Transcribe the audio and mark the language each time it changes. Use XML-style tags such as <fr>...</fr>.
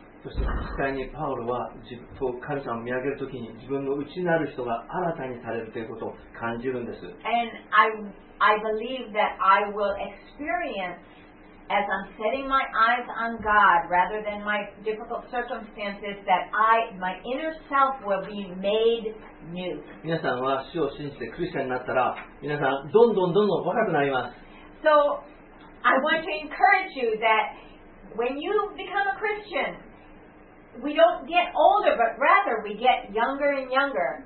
<ja>そして実際にパウロは神様を見上げるときに自分の内なる人が新たにされるということを感じるんです。</ja> <en>And I believe that I will experience as I'm setting my eyes on God rather than my difficult circumstances that I, my inner self will be made new.</en> <ja>皆さんは主を信じてクリスチャンになったら皆さんどんどん若くなります。</ja> <en>So I want to encourage you that when you become a Christian,We don't get older, but rather we get younger and younger.</en>